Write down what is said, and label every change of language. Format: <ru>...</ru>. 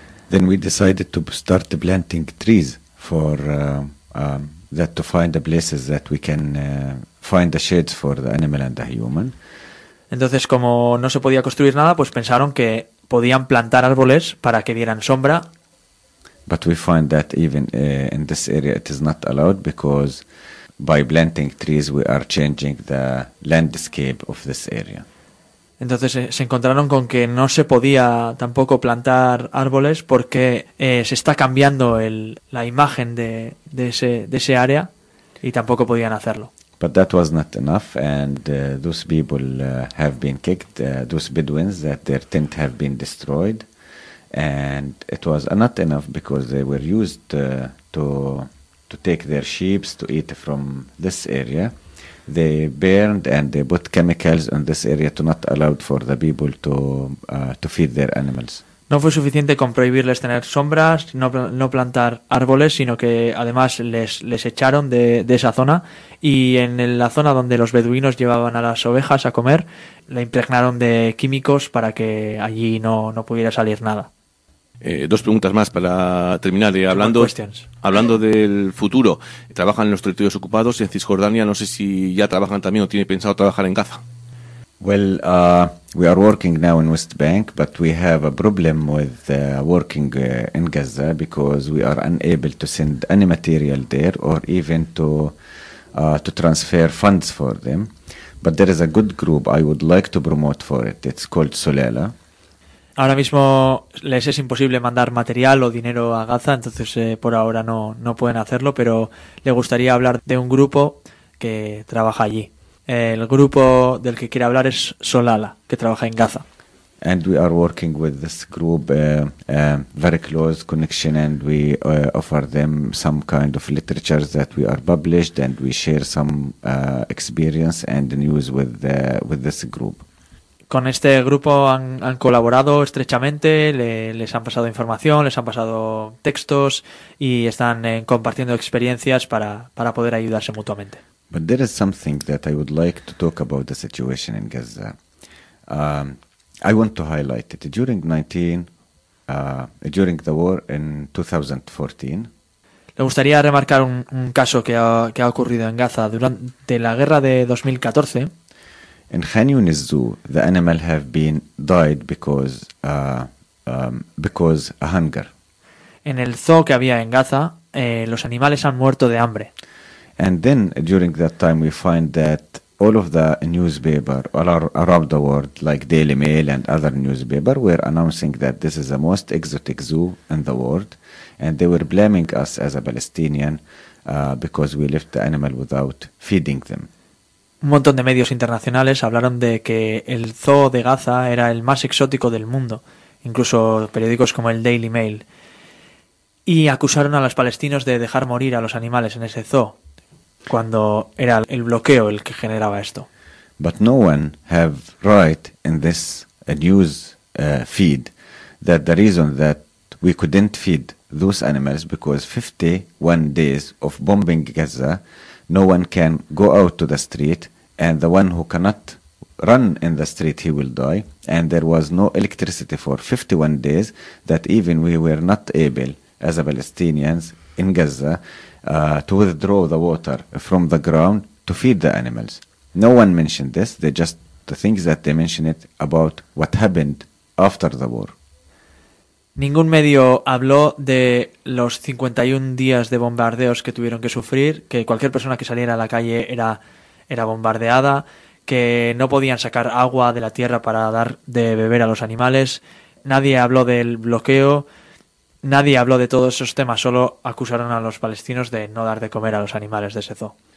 <en>Then we decided to start planting trees for that to find the places that we can find the sheds for the animal and the human.</en> <es>Entonces, como no se podía construir nada, pues pensaron que podían plantar árboles para que dieran sombra.</es> <en>But we find that even in this area it is not allowed, because by planting trees we are changing the landscape of this area.</en> <es>Entonces se encontraron con que no se podía tampoco plantar árboles porque se está cambiando la imagen de ese área, y tampoco podían hacerlo.</es> <en>But that was not enough, and those people have been kicked, those Bedouins, that their tent have been destroyed. And it was not enough, because they were used to take their sheep to eat from this area. They burned and they put chemicals in this area to not allow for the people to feed their animals.</en> <es>No fue suficiente con prohibirles tener sombras, no plantar árboles, sino que además les echaron de esa zona. Y en la zona donde los beduinos llevaban a las ovejas a comer, la impregnaron de químicos para que allí no pudiera salir nada. Dos preguntas más para terminar. Hablando del futuro, ¿trabajan en los territorios ocupados en Cisjordania? No sé si ya trabajan también o tiene pensado trabajar en Gaza.</es> <en>Well, we are working now in West Bank, but we have a problem with working in Gaza because we are unable to send any material there or even to transfer funds for them. But there is a good group I would like to promote for it. It's called Solela.</en> <es>Ahora mismo les es imposible mandar material o dinero a Gaza, entonces por ahora no pueden hacerlo, pero le gustaría hablar de un grupo que trabaja allí. El grupo del que quiere hablar es Solala, que trabaja en Gaza.</es> <en>And we are working with this group, very close connection, and we offer them some kind of literature that we are published, and we share some experience and news with this group.</en> <es>Con este grupo han colaborado estrechamente, les han pasado información, les han pasado textos y están compartiendo experiencias para poder ayudarse mutuamente.</es> <en>But there is something that I would like to talk about the situation in Gaza. I want to highlight it. During the war in 2014.</en> <es>Le gustaría remarcar un caso que ha ocurrido en Gaza durante la guerra de 2014.</es> <en>In Khan Yunis Zoo, the animal have been died because of hunger.</en> <es>En el zoo que había en Gaza, los animales han muerto de hambre.</es> <en>And then during that time we find that all of the newspaper around the world, like Daily Mail and other newspaper, were announcing that this is the most exotic zoo in the world, and they were blaming us as a Palestinian because we left the animal without feeding them.</en> <es>Un montón de medios internacionales hablaron de que el zoo de Gaza era el más exótico del mundo, incluso periódicos como el Daily Mail, y acusaron a los palestinos de dejar morir a los animales en ese zoo, cuando era el bloqueo el que generaba esto.</es> <en>But no one have right in this news feed that the reason that we couldn't feed those animals because 51 days of bombing Gaza, no one can go out to the street. And the one who cannot run in the street, he will die. And there was no electricity for 51 days that even we were not able, as a Palestinians in Gaza, to withdraw the water from the ground to feed the animals. No one mentioned this. They just, the things that they mentioned it about what happened after the war.</en> <es>Ningún medio habló de los 51 días de bombardeos que tuvieron que sufrir, que cualquier persona que saliera a la calle era bombardeada, que no podían sacar agua de la tierra para dar de beber a los animales. Nadie habló del bloqueo, nadie habló de todos esos temas, solo acusaron a los palestinos de no dar de comer a los animales de ese zoo.</es>